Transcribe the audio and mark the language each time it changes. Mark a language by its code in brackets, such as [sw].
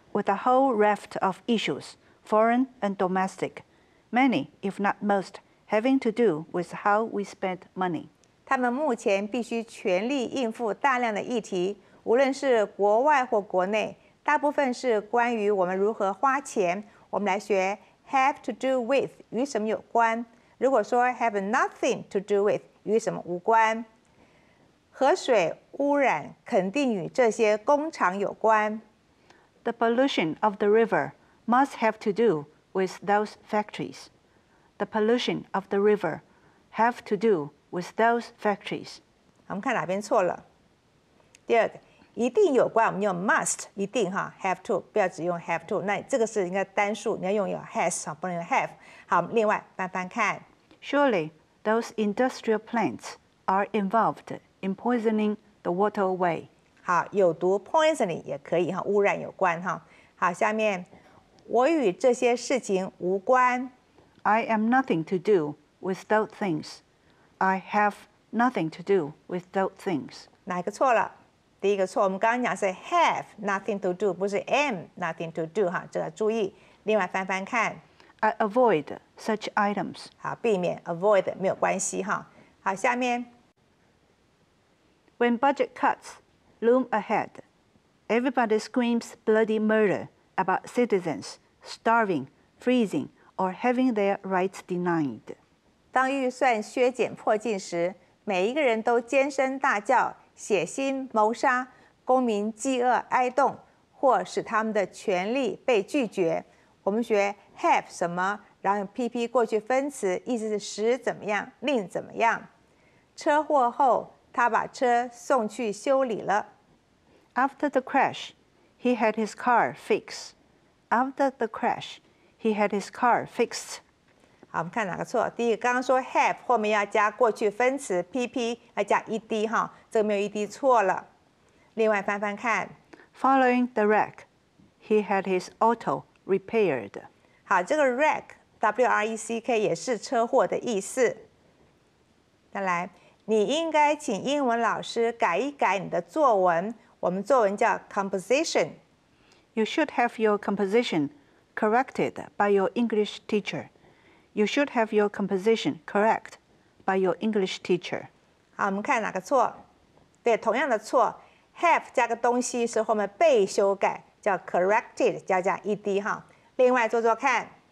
[en] with a whole raft of issues, foreign and domestic, many, if not most, having to do with how we spend money. [zh] 他们目前必须全力应付大量的议题，无论是国外或国内，大部分是关于我们如何花钱。我们来学 have to do with 与什么有关。如果说 have nothing to do with 与什么无关。河水污染肯定与这些工厂有关。 [en] The pollution of the river must have to do with those factories. The pollution of the river have to do with those factories. [zh] 我们看哪边错了。第二个，一定有关，我们用 must， 一定哈 ，have to， 不要只用 have to。那这个是应该单数，你要用有 has 不能用 have。好，另外翻翻看。 [en] Surely those industrial plants are involved in poisoning the waterway。 [zh] 好，有毒 poisoning 也可以哈，污染有关哈。好，下面我与这些事情无关。 [en] I am nothing to do with those things. I have nothing to do with those things。 [zh] 哪一个错了？第一个错，我们刚刚讲是 have nothing to do， 不是 am nothing to do 哈，这个注意。另外翻翻看 [en] ，I avoid such items。 [zh] 好，避免 avoid 没有关系哈。好，下面 [en] ，When budget cuts loom ahead， everybody screams bloody murder about citizens starving, freezing, or having their rights denied。 [zh] 当预算削减迫近时，每一个人都尖声大叫。血腥谋杀，公民饥饿哀恸，或使他们的权利被拒绝。我们学 have 什么，然后 PP 过去分词，意思是使怎么样，令怎么样。车祸后，他把车送去修理了。 [en] After the crash, he had his car fixed. After the crash, he had his car fixed. [zh] 好，我们看哪个错？第一个，刚刚说 have 后面要加过去分词 PP， 要加 ED 哈。这个没有 ED 错了。另外翻翻看 [en] ，Following the wreck, he had his auto repaired. [zh] 好，这个 wreck W-R-E-C-K 也是车祸的意思。再来，你应该请英文老师改一改你的作文。我们作文叫 composition。 [en] You should have your composition corrected by your English teacher. You should have your composition correct by your English teacher. [zh] 好，我们看哪个错。对，同样的错 ，have 加个东西是后面被修改，叫 corrected， 加 ed 哈。另外做做看